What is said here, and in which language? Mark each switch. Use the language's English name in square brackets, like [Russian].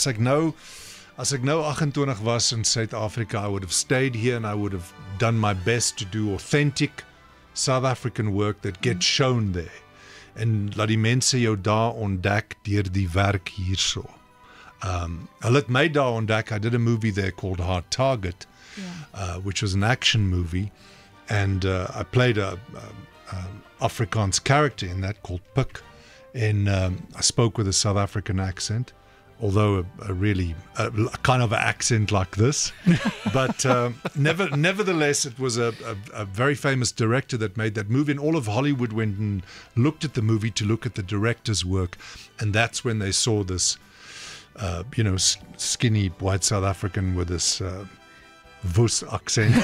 [Afrikaans] As ek nou 28 was in Suid-Afrika, [English] I would have stayed here and I would have done my best to do authentic South African work that gets shown there. [Afrikaans] En laat die mense jou daar ontdek deur die werk hierso. Hulle het my daar ontdek. [English] I did a movie there called Hard Target, yeah. Which was an action movie, and I played a Afrikaans character in that called Puk, and I spoke with a South African accent, although a really kind of an accent like this, but nevertheless, it was a very famous director that made that movie, and all of Hollywood went and looked at the movie to look at the director's work, and that's when they saw this skinny white South African with this Vos accent.